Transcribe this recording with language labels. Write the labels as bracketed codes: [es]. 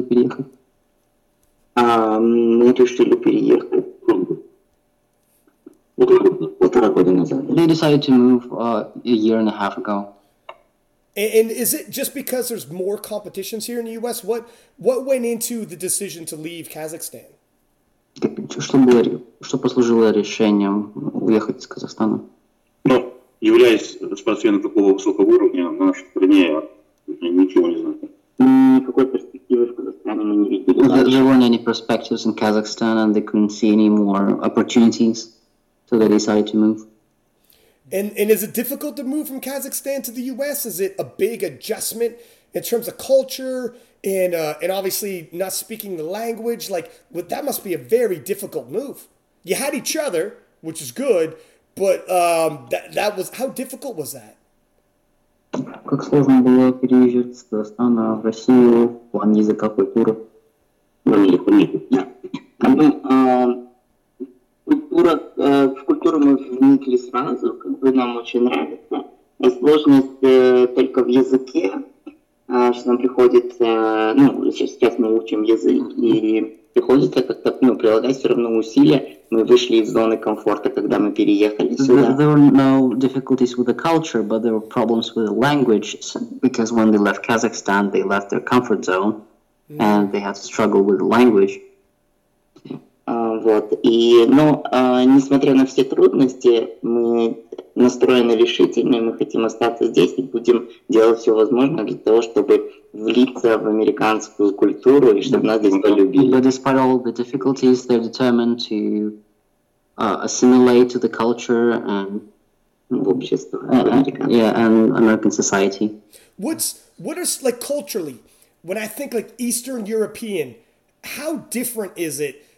[ru] переехать? Мы решили переехать. [en] They decided to move a year and a half ago. And is it just because there's more competitions here in the U.S.? What went into the decision to leave Kazakhstan? [ru] Что послужило решением уехать из Казахстана? Ну, являясь спортсменом такого высокого уровня, на нашей стране ничего не знаю. Никакой перспективы в Казахстане мы не видели. [en] There weren't any perspectives in Kazakhstan and they couldn't see any more opportunities. So they decided to move. And is it difficult to move from Kazakhstan to the U.S.? Is it a big adjustment in terms of culture and obviously not speaking the language? Like, that must be a very difficult move. You had each other, which is good, But that was, how difficult was that? [ru] Как сложно было переезжать с Казахстана в Россию в плане языка, культуры? В культуру мы вникли сразу, как бы нам очень нравится. Сложность только в языке, что нам приходится, ну, сейчас мы учим язык, и приходится как-то, ну, прилагать все равно усилия. Мы вышли из зоны комфорта, когда мы переехали сюда. [en] There were no difficulties with the culture, but there were problems with the language, because when they left Kazakhstan, they left their comfort zone, and they had to struggle with the language. [ru] Вот, и, ну, несмотря на все трудности, мы настроены решительно, мы хотим остаться здесь и будем делать все возможное для того, чтобы влиться в американскую культуру и чтобы нас здесь полюбили. [en] But despite all the difficulties, they're determined to assimilate to the culture and... [ru] В обществе, американское. [en] Yeah, and American society. What is, like, culturally, when I think, like, Eastern European, how different is it?